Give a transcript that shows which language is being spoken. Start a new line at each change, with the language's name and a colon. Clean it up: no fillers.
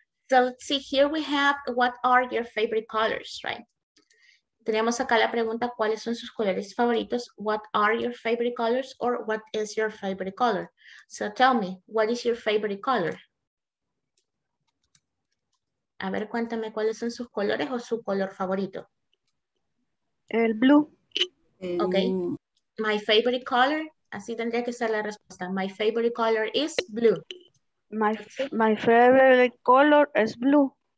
English: So let's see, here we have, what are your favorite colors, right?
Spanish: Tenemos acá la pregunta, ¿cuáles son sus colores favoritos?
English: What are your favorite colors, or what is your favorite color? So tell me, what is your favorite color?
Spanish: A ver, cuéntame, ¿cuáles son sus colores o su color favorito? El blue.
English: Okay. My favorite color,
Spanish: así tendría que ser la respuesta.
English: My favorite color is blue. My favorite color is blue.